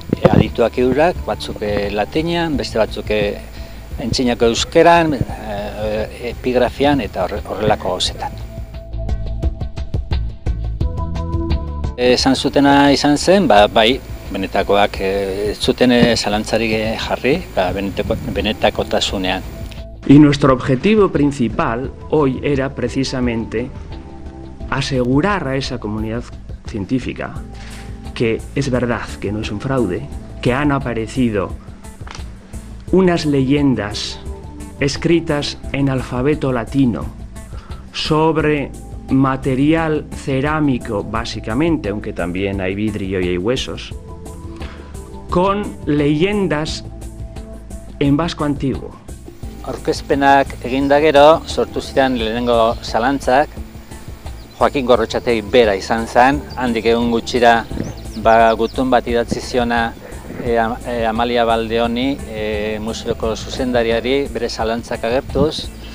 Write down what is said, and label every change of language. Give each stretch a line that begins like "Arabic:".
Basque: Adituak eurak, batzuk latinean, beste batzuk entzinako euskeran, epigrafian eta horrelako gauzetan. Esan zutena izan zen, bai, benetakoak zuten zalantzarik jarri, benetakotasunean.
Spanish: Y nuestro objetivo principal hoy era precisamente asegurar a esa comunidad científica que es verdad, que no es un fraude, que han aparecido unas leyendas escritas en alfabeto latino sobre material cerámico, básicamente, aunque también hay vidrio y hay huesos, con leyendas en vasco antiguo.
Basque: Aurkezpenak eginda gero, sortu zidan lehenengo zalantzak, Joaquin Gorrotxategi bera izan zen, handik egun gutxira ba, gutun bat idatzi ziona Amalia Baldeoni, museoko zuzendariari, bere zalantzak agertuz,